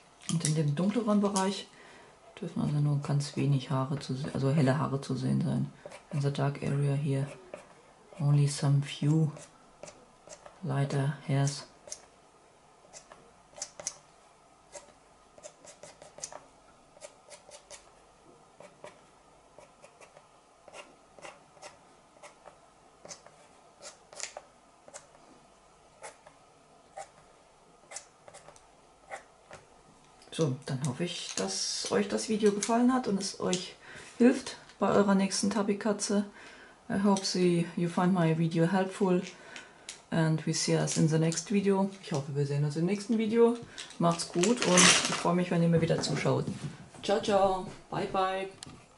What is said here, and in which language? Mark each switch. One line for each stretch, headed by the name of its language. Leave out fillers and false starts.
German: Und in dem dunkleren Bereich dürfen also nur ganz wenig Haare zu sehen, also helle Haare zu sehen sein.
English: In the dark area here, only some few lighter hairs.
German: So, dann hoffe ich, dass euch das Video gefallen hat und es euch hilft bei eurer nächsten Tabby-Katze.
English: I hope you find my video helpful and we see us in the next video.
German: Ich hoffe, wir sehen uns im nächsten Video. Macht's gut und ich freue mich, wenn ihr mir wieder zuschaut. Ciao, ciao. Bye, bye.